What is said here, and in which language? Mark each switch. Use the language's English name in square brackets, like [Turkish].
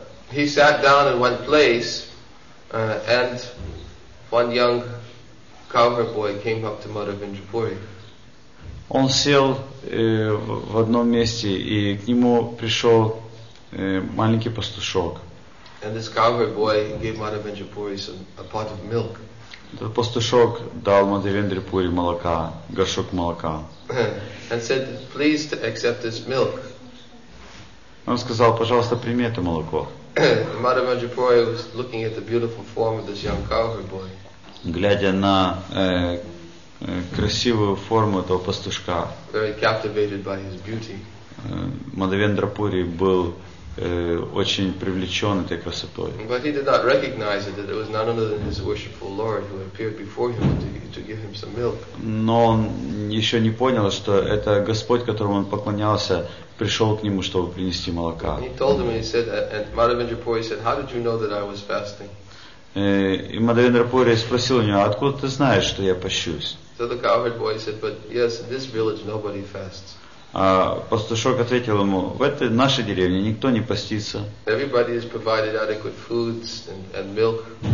[English] He sat down in one place, and one young cowherd boy came up to Madhavendra Puri. [Russian] Он сел в одном месте, и к нему пришел маленький пастушок. [English] And this cowherd boy gave Madhavendra Puri a pot of milk. [Russian] Этот пастушок дал Мадхавендре Пури молока, горшок молока. [English] And said, please accept this milk. [Russian] Он сказал, пожалуйста, прими это молоко. [English] Madhavendra Puri was looking at the beautiful form of this young cowherd boy. [Russian] Глядя на красивую форму этого пастушка. [English] Very captivated by his beauty. [Russian] Мадхавендра Пури был очень привлечен этой красотой. [English] But he did not recognize it, that it was none other than his worshipful Lord who appeared before him to give him some milk. [Russian] Но он еще не понял, что это Господь, которому он поклонялся, пришел к нему, чтобы принести молока. [English] He told him, he said, and Madhavendra Puri said, how did you know that I was fasting? [Russian] И Мадхавендра Пури спросил у него, откуда ты знаешь, что я пощусь? [English] So the cowherd boy said, but yes, in this village nobody fasts. [Russian] А пастушок ответил ему, в этой нашей деревне никто не постится. [English] Everybody is provided adequate foods and milk.